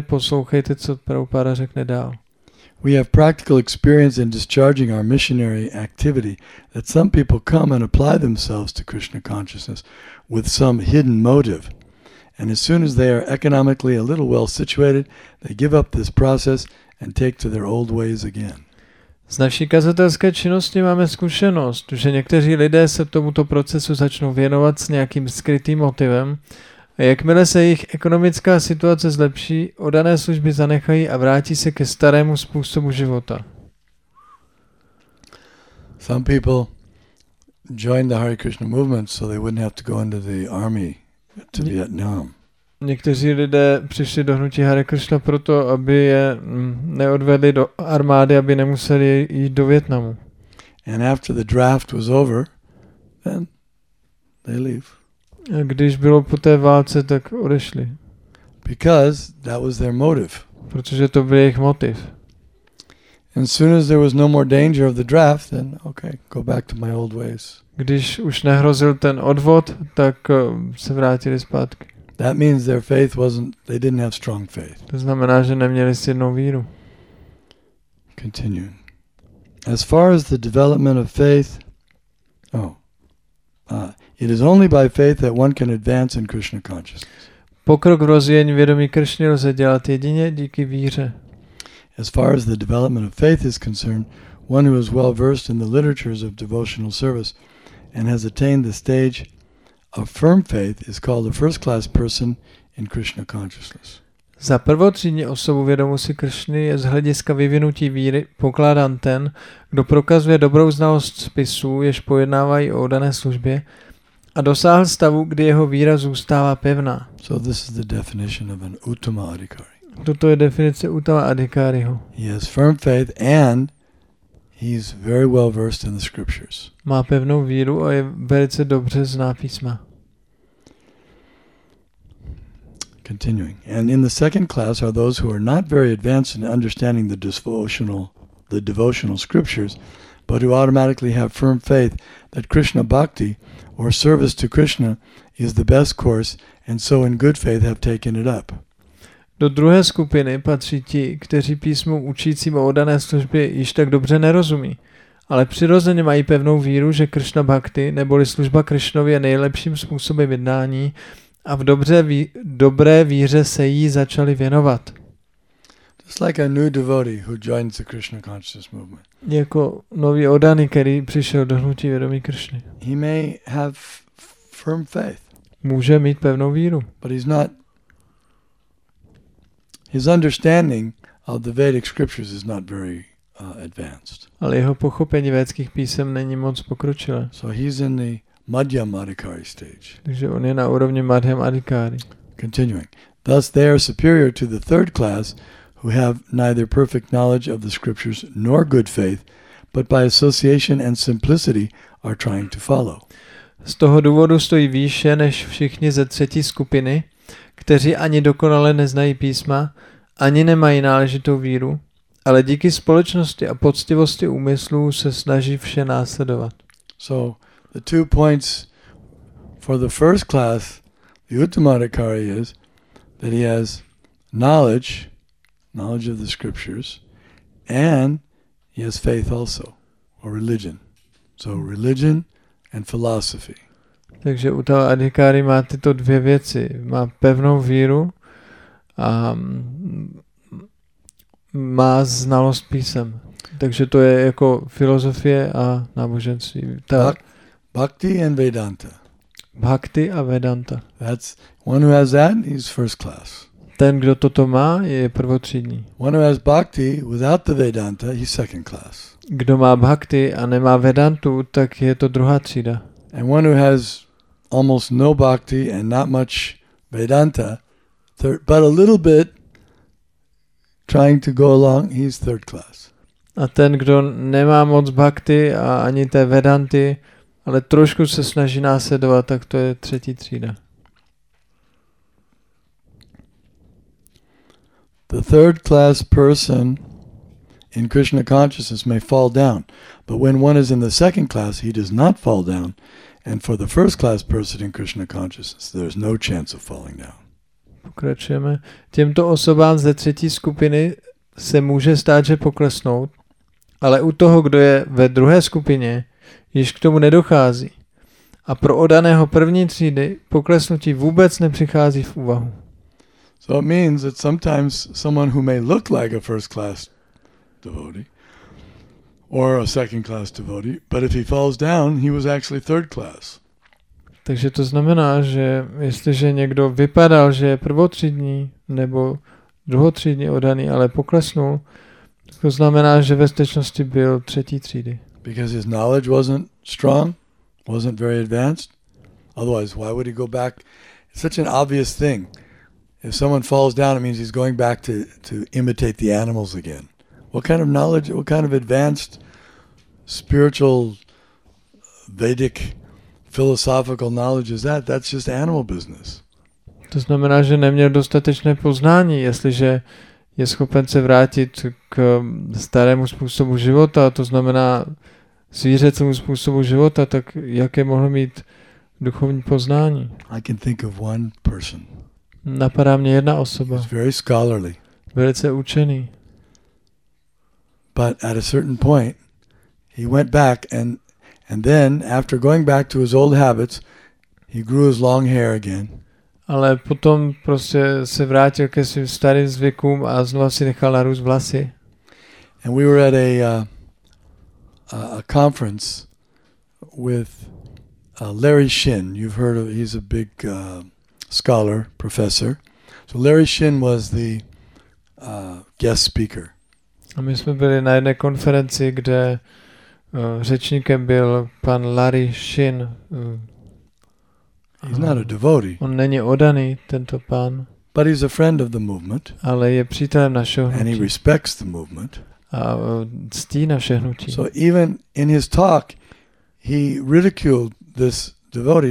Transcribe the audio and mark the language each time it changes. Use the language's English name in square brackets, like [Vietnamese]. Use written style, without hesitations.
[Czech] poslouchejte, co Prabhupada řekne dál. [English] We have practical experience in discharging our missionary activity that some people come and apply themselves to Krishna consciousness with some hidden motive. And as soon as they are economically a little well situated, they give up this process and take to their old ways again. [Czech] Z naší kazatelské činnosti máme zkušenost, že někteří lidé se tomuto procesu začnou věnovat s nějakým skrytým motivem, a jakmile se jejich ekonomická situace zlepší, oddané služby zanechají a vrátí se ke starému způsobu života. [English] Some people joined the Hare Krishna movement so they wouldn't have to go into the army. To Vietnam. [Czech] Někteří lidé přišli do hnutí Hare Krishna proto, aby je neodvedli do armády, aby nemuseli jít do Vietnamu. [English] And after the draft was over, then they leave. [Czech] A když bylo po té válce, tak odešli. [English] Because that was their motive. [Czech] Protože to byl jejich motiv. [English] And soon as there was no more danger of the draft, then okay, go back to my old ways. [Czech] Když už nehrozil ten odvod, tak se vrátili zpátky. [English] That means their faith wasn't, they didn't have strong faith. [Czech] To znamená, že neměli silnou víru. [English] Continue. As far as the development of faith, it is only by faith that one can advance in Krishna consciousness. [Czech] Pokrok v rozvíjení vědomí Kršny lze dělat jedině díky víře. [English] As far as the development of faith is concerned, one who is well versed in the literatures of devotional service and has attained the stage of firm faith is called a first class person in Krishna consciousness. [Czech] Za prvotřídní osobu vědomosti Kršny je z hlediska vyvinutí víry pokládán ten, kdo prokazuje dobrou znalost spisů, jež pojednávají o dané službě, a dosáhl stavu, kdy jeho víra zůstává pevná. [English] So this is the definition of an uttama adhikari. [Czech] Toto je definice Uttama Adhikáriho. [English] He has firm faith and he's very well versed in the scriptures. [Czech] Má pevnou víru a je velice dobře zná písma. [English] Continuing. And in the second class are those who are not very advanced in understanding the devotional scriptures, but who automatically have firm faith that Krishna bhakti or service to Krishna is the best course and so in good faith have taken it up. [Czech] Do druhé skupiny patří ti, kteří písmu učícím o oddané službě již tak dobře nerozumí, ale přirozeně mají pevnou víru, že Krishna bhakti, neboli služba Krishnovi je nejlepším způsobem jednání a v dobré víře se jí začali věnovat. [English] Just like a new devotee who joins the Krishna consciousness movement. [Czech] Jako nový oddaný, který přišel do hnutí vědomí Krishny. [English] He may have firm faith. [Czech] Může mít pevnou víru. [English] But he's not. His understanding of the Vedic scriptures is not very advanced. [Czech] Ale jeho pochopení védských písem není moc pokročilé. [English] So he's in the Madhyam Adhikari stage. [Czech] Takže on je na úrovni Madhyam Adhikari. [English] Continuing. Thus they are superior to the third class who have neither perfect knowledge of the scriptures nor good faith, but by association and simplicity are trying to follow. [Czech] Z toho důvodu stojí výše než všichni ze třetí skupiny, kteří ani dokonale neznají písma, ani nemají náležitou víru, ale díky společnosti a poctivosti úmyslů se snaží vše následovat. [English] So the two points for the first class, the Uttama Adhikari is that he has knowledge knowledge of the scriptures, and he has faith also, or religion. So religion and philosophy. [Czech] Takže u toho adhikáry má tyto dvě věci. Má pevnou víru a má znalost písem. Takže to je jako filozofie a náboženství. [English] Bhakti and Vedanta. [Czech] Bhakti a Vedanta. [English] That's one who has that is first class. [Czech] Ten, kdo toto má, je prvotřídní. [English] One who has bhakti without the Vedanta, he's second class. [Czech] Kdo má bhakti a nemá Vedantu, tak je to druhá třída. [English] And one who has almost no bhakti and not much Vedanta, but a little bit trying to go along, he's third class. [Czech] A ten, kdo nemá moc bhakti a ani té Vedanty, ale trošku se snaží následovat, tak to je třetí třída. [English] The third class person in Krishna consciousness may fall down, but when one is in the second class, he does not fall down. And for the first class person in Krishna consciousness, there is no chance of falling down. [Czech] Pokračujeme. Těmto osobám ze třetí skupiny se může stát, že poklesnou, ale u toho, kdo je ve druhé skupině, již k tomu nedochází. A pro odaného první třídy poklesnutí vůbec nepřichází v úvahu. [English] So it means that sometimes someone who may look like a first class devotee or a second class devotee, but if he falls down, he was actually third class. [Czech] Takže to znamená, že jestliže někdo vypadal, že je prvotřídní nebo druhotřídní odaný, ale poklesnul, to znamená, že ve skutečnosti byl třetí třídy. [English] Because his knowledge wasn't strong, wasn't very advanced. Otherwise, why would he go back? It's such an obvious thing. If someone falls down, it means he's going back to imitate the animals again. What kind of knowledge, what kind of advanced spiritual Vedic philosophical knowledge is that? That's just animal business. [Czech] To znamená, že neměl dostatečné poznání, jestliže je schopen se vrátit k starému způsobu života, to znamená zvířecímu způsobu života, tak jaké mohlo mít duchovní poznání? [English] I can think of one person. [Czech] Napadá mě jedna osoba. [English] He's very scholarly. [Czech] Velice učený. [English] But at a certain point he went back and then after going back to his old habits he grew his long hair again. [Czech] Ale potom prostě se vrátil ke svým starým zvykům a znovu si nechal narůst vlasy. [English] And we were at a conference with Larry Shin. You've heard of, he's a big scholar, professor. So Larry Shin was the guest speaker. [Czech] A my jsme byli na jedné konferenci, kde řečníkem byl pan Larry Shin. [English] He's not a devotee. [Czech] On není oddaný, tento pán. [English] But he's a friend of the movement. [Czech] Ale je přítelem našeho hnutí. [English] And he respects the movement. [Czech] A ctí naše hnutí. [English] So even in his talk, he ridiculed this devotee.